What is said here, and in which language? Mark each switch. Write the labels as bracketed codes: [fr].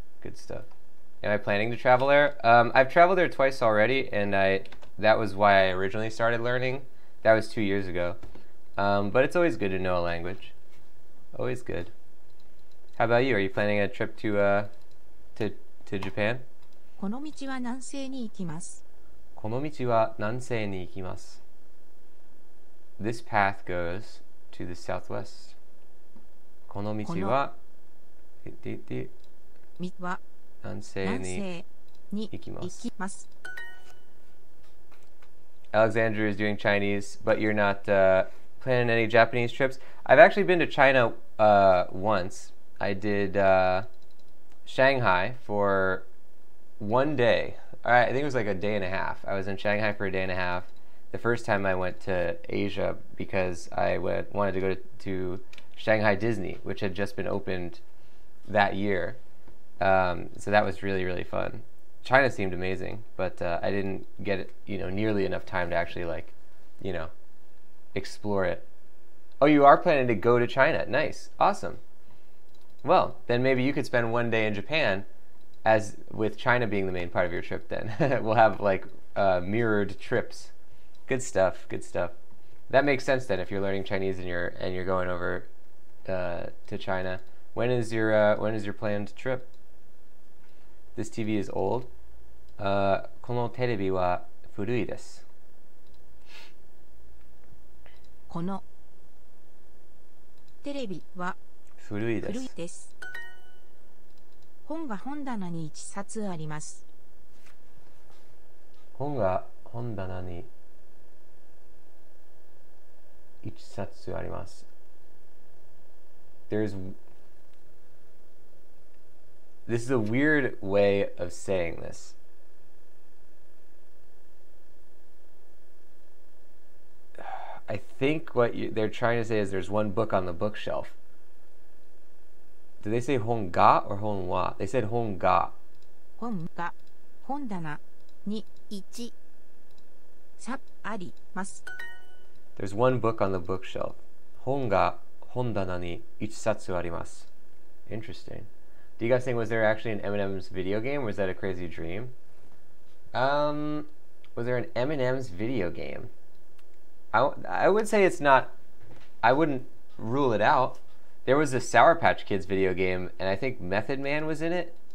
[en] Good stuff. Am I planning to travel there? I've traveled there twice already, and that was why I originally started learning. That was 2 years ago. But it's always good to know a language. Always good. How about you? Are you planning a trip to Japan? [ja] この道は南西に行きます。この道は南西に行きます。 [en] This path goes... To the southwest. [ja] この道は、南西に行きます。 [en] Alexandru is doing Chinese, but you're not planning any Japanese trips. I've actually been to China once. I did Shanghai for one day. I think it was like a day and a half. I was in Shanghai for a day and a half. The first time I went to Asia because I wanted to go to Shanghai Disney, which had just been opened that year. So that was really, really fun. China seemed amazing, but I didn't get nearly enough time to actually explore it. Oh, you are planning to go to China. Nice. Awesome. Well, then maybe you could spend one day in Japan as with China being the main part of your trip then. We'll have mirrored trips. Good stuff, good stuff. That makes sense then if you're learning Chinese and you're going over to China. When is your planned trip? This TV is old. [ja] このテレビは古いです。このテレビは古いです。本が本棚に一冊あります。本が本棚に一冊あります。 [en] There's this is a weird way of saying this. I think what they're trying to say is there's one book on the bookshelf. Did they say 本が or 本は?They said 本が。 [ja] 本が本棚に一冊あります。 [en] There's one book on the bookshelf. [ja] 本が本棚に一冊あります。 [en] Interesting. Do you guys think, was there actually an M&M's video game, or was that a crazy dream? Was there an M&M's video game? I would say it's not... I wouldn't rule it out. There was a Sour Patch Kids video game, and I think Method Man was in it.